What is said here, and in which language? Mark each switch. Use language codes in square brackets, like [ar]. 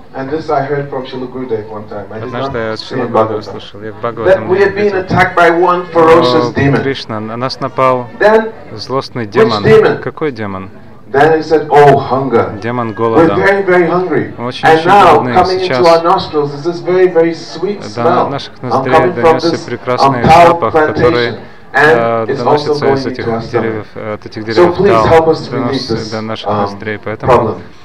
[en] And this I heard from Srila Gurudev one time. [ru] Однажды я от Шрила Гурудева услышал. Я в Бхагаватам. Кришна, на нас напал злостный демон. Какой демон? [en] Then he said, oh, hunger. [ru] Демон голода. [en] We're very, very hungry. [ru] Очень [en] and now, coming into our nostrils is this very, very sweet smell. I'm coming from this [ru] прекрасный запах, который доносится из этих деревьев, от этих деревьев до наших ноздрей, поэтому